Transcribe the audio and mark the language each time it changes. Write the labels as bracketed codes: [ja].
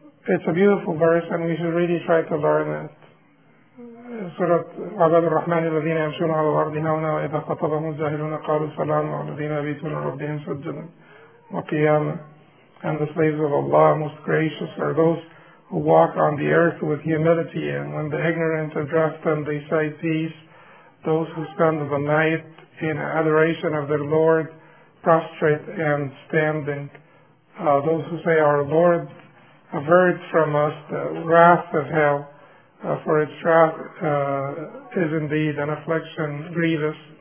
[en] It's a beautiful verse and we should really try to learn it. [ar] Surah Ibad al-Rahman, الَّذِينَ يَمْشُونَ عَلَى الْأَرْضِ هَوْنًا وَإِذَا خَطَبَهُمُ الْجَاهِلُونَ قَالُوا سَلَامًا وَالَّذِينَ يَبِيتُونَ رَبِّهِمْ سُجَّدًا وَقِيَامًا. [en] And the slaves of Allah, most gracious, are those who walk on the earth with humility. And when the ignorant address them, they say, peace. Those who spend the night in adoration of their Lord, prostrate and standing. Those who say, our Lord, avert from us the wrath of hell, for its wrath is indeed an affliction grievous.